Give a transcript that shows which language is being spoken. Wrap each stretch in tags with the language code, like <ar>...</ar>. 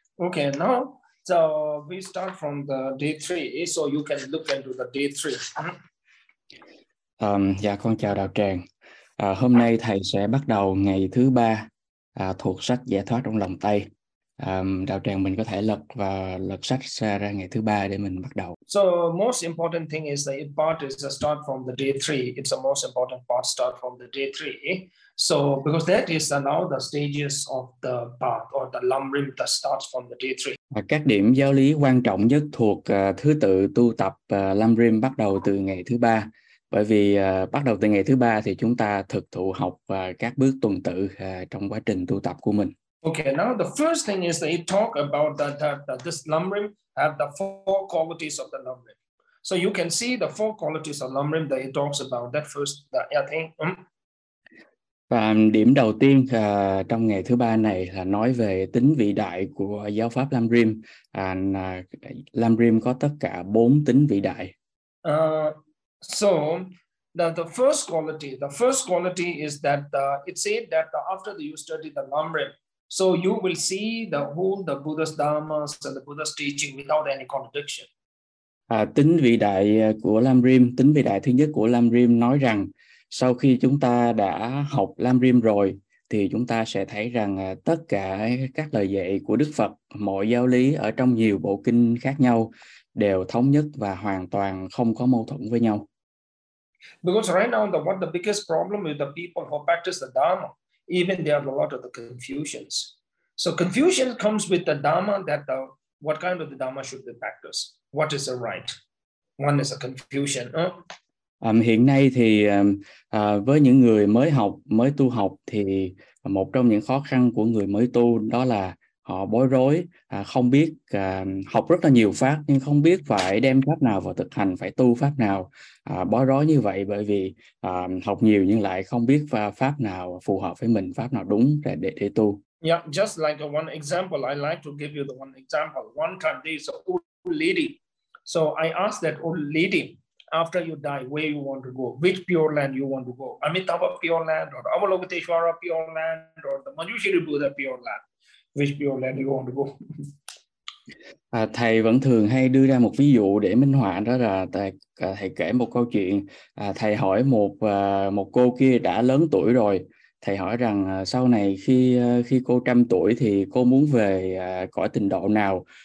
<en>Okay, now, so we start from the day three, so you can look into the day three.</en> <vi>Dạ, con chào Đạo Tràng. Hôm nay thầy sẽ bắt đầu ngày thứ ba thuộc sách Giải thoát trong lòng tay. Đạo Tràng mình có thể lật và lật sách ra ngày thứ ba để mình bắt đầu.</vi> <en>So most important thing is the part is to start from the day three. It's the most important part, start from the day three. So because that is now the stages of the path or the lam rim that starts from the day three.</en> <vi>Các điểm giáo lý quan trọng nhất thuộc thứ tự tu tập lam rim bắt đầu từ ngày thứ ba. Bởi vì bắt đầu từ ngày thứ ba thì chúng ta thực thụ học các bước tuần tự trong quá trình tu tập của mình.</vi> <en>Okay, now the first thing is that you talk about that this lam rim have the four qualities of the lam rim. So you can see the four qualities of lam rim that he talks about that first that I think.</en> <vi>Và điểm đầu tiên trong ngày thứ ba này là nói về tính vĩ đại của giáo pháp lam rim. Lam rim có tất cả bốn tính vĩ đại.</vi> <en>So the first quality is that it said that after you study the lam rim, so you will see the whole the Buddha's dharmas and the Buddha's teaching without any contradiction.</en> <vi>Tính vĩ đại của lam rim, tính vĩ đại thứ nhất của lam rim nói rằng sau khi chúng ta đã học lam rim rồi thì chúng ta sẽ thấy rằng tất cả các lời dạy của Đức Phật, mọi giáo lý ở trong nhiều bộ kinh khác nhau đều thống nhất và hoàn toàn không có mâu thuẫn với nhau.</vi> <en>Because right now the biggest problem with the people who practice the dharma, even there are a lot of the confusions. So confusion comes with the dharma that the, what kind of the dharma should be practiced? What is the right? One is a confusion.</en> <vi>Hiện nay thì với những người mới học, mới tu học thì một trong những khó khăn của người mới tu đó là họ bối rối, không biết học rất là nhiều pháp nhưng không biết phải đem pháp nào vào thực hành, phải tu pháp nào, bối rối như vậy bởi vì học nhiều nhưng lại không biết pháp nào phù hợp với mình, pháp nào đúng để tu.</vi> <en>Yeah, just like a one example, I like to give you the one example. One time there is an old lady. So I asked that old lady, after you die, where you want to go, which pure land you want to go, Amitabha pure land or Avalokiteshvara pure land or the Manjushri Buddha pure land. Which pure land you want to go?</en> <vi>Thầy vẫn thường hay đưa ra một ví dụ để minh họa đó là thầy kể một câu chuyện. Thầy hỏi một cô kia đã lớn tuổi rồi. Thầy hỏi rằng sau này khi cô trăm tuổi thì cô muốn về cõi tịnh độ nào?</vi>